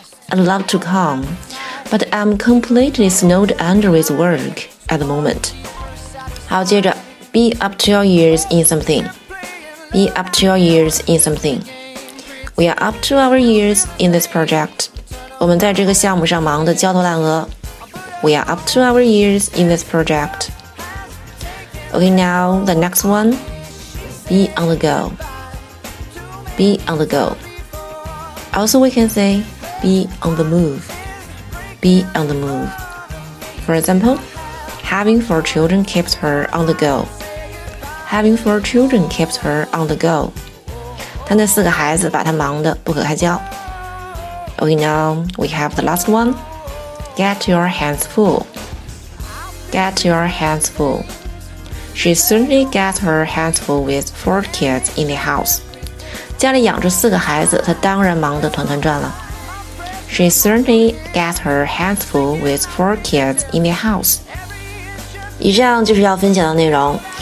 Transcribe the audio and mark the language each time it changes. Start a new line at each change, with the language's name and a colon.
English: I'd love to come, but I'm completely snowed under with work at the moment.
Chinese: 好，接着
English: Be up to your ears in something. Be up to your ears in something. We are up to our ears in this project.
Chinese: 我们在这个项目上忙得焦头烂额。
English: We are up to our ears in this project. Okay, now the next one. Be on the go. Be on the go. Also, we can say, be on the move. Be on the move. For example, having four children keeps her on the go. Having four children keeps her on the go.
Chinese: 她那四个孩子把她忙得不可开交。
English: Okay, now we have the last one. Get your hands full. Get your hands full. She certainly gets her hands full with four kids in the house.
Chinese: 家里养着四个孩子，她当然忙得团团转了。
English: She certainly gets her hands full with four kids in the house.
Chinese: 以上就是要分享的内容。